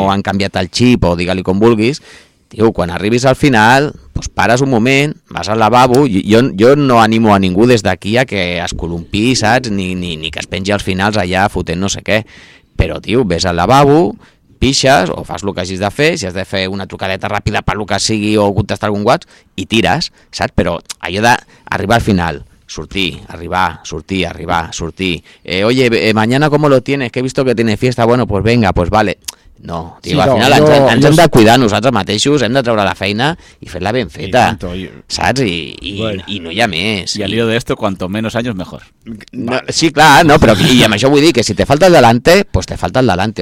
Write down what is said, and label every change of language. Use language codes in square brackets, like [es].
[ca] han canviat el xip o digue-li com vulguis, tio, quan arribis al final, doncs pares un moment, vas al lavabo, jo no animo a ningú des d'aquí a que es columpi, saps, ni que es pengi als finals allà fotent no sé què, però tio, vés al lavabo, pixes o fas el que hagis de fer, si has de fer una trucadeta ràpida pel que sigui o contestar algun whats, i tires, saps, però allò d'arribar al final... Sortir, arribar, sortir, arribar, sortir. [es] Oye, mañana cómo lo tienes, que he visto que tiene fiesta, bueno, pues venga, pues vale. [ca] No, tío, sí, al final no, ens hem de cuidar nosaltres mateixos, hem de treure la feina i fer-la ben feta, i tanto, saps? I no hi ha més. [es] I al lío de esto, cuanto menos años, mejor. No, vale. [ca] Sí, clar, no, però i amb això vull dir que [es] si te falta el delante, [ca] pues te falta el delante.